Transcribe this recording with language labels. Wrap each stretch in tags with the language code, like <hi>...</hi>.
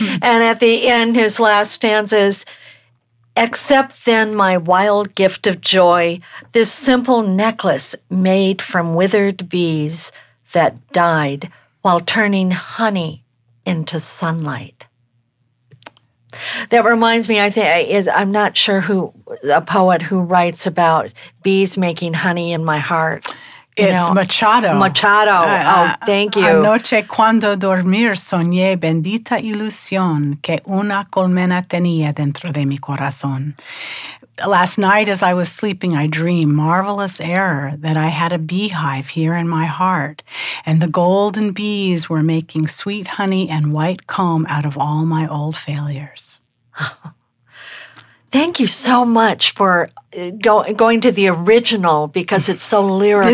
<en>And at the end, his last stanza is, "Accept then my wild gift of joy, this simple necklace made from withered bees that died while turning honey into sunlight." That reminds me, I'm not sure who, a poet who writes about bees making honey in my heart. Machado. Thank you.</en> <es>Anoche cuando dormir soñé bendita ilusión que una colmena tenía dentro de mi corazón.</es> <en>Last night as I was sleeping, I dreamed, marvelous error, that I had a beehive here in my heart, and the golden bees were making sweet honey and white comb out of all my old failures. Thank you so much for going to the original, because it's so lyrical.</en>